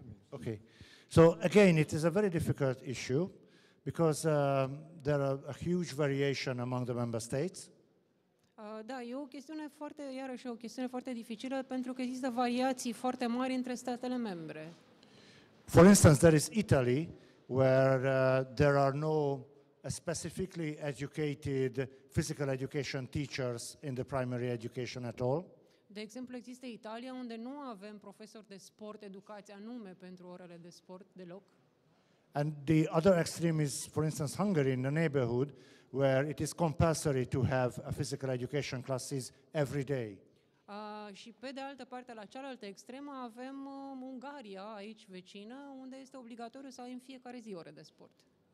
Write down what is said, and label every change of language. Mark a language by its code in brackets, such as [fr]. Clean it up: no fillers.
[en] Okay, so again, it is a very difficult issue because there are a huge variation among the member states. [ro] Da, e o chestiune foarte, iarăși, o chestiune foarte dificilă pentru că există variații foarte mari între statele membre. [en] For instance, there is Italy, where there are no specifically educated physical education teachers in the primary education at all. [ro] De exemplu, există Italia unde nu avem profesori de sport, educați anume pentru orele de sport deloc. [en] And the other extreme is, for instance, Hungary in the neighborhood, where it is compulsory to have a physical education classes every day. [ro] Și pe de altă parte, la cealaltă extremă, avem Ungaria, aici vecină, unde este obligatoriu să ai în fiecare zi ore de sport.